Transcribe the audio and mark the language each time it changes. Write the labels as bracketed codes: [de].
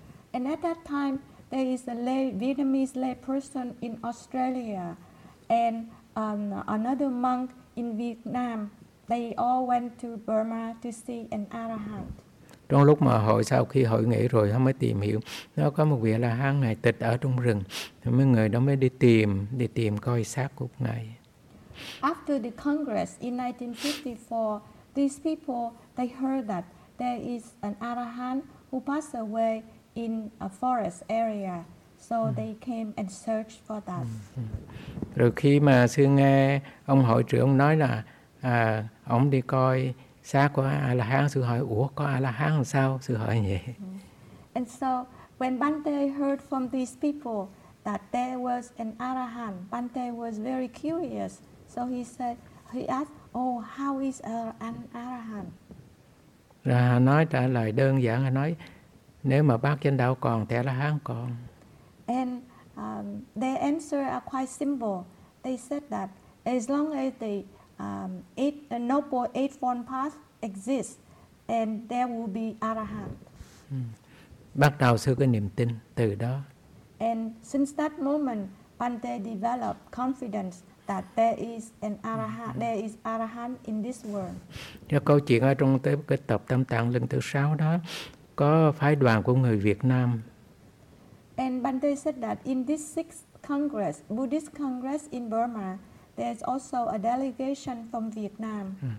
[en] And at that time there is a lay Vietnamese lay person in Australia and another monk in Vietnam. They all went to Burma to see an Arahant. [vi] Trong lúc mà hội sau khi hội nghị rồi họ mới tìm hiểu, nó có một vị A-la-hán ngài tịch ở trong rừng, thì mấy người đó mới đi tìm coi xác của ngài. [en] After the congress in 1954, these people they heard that there is an Arahant who passed away in a forest area. So they came and searched for that. [vi] Rồi khi mà sư nghe ông hội trưởng nói là ông đi coi xác của A La Hán, sư hỏi ủa có A La Hán làm sao, sư hỏi như vậy. [en] And so when Bhante heard from these people that there was an Arahant, Bhante was very curious. So he said, he asked, oh, how is an Arahant? [vi] Rồi nói trả lời đơn giản, nói nếu mà bác chánh đạo còn thì A La Hán còn. [en] And their answer are quite simple. They said that as long as the Noble Eightfold Path exists, and there will be Arahant. [vi] Bắt đầu sư có niềm tin từ đó. [en] And since that moment, Bhante developed confidence that there is an Arahant, there is Arahant in this world. [vi] Cái câu chuyện ở trong cái tập Tam Tạng lần thứ 6 đó, có phái đoàn của người Việt Nam. [en] And Bhante said that in this sixth congress, Buddhist congress in Burma, there's also a delegation from Vietnam.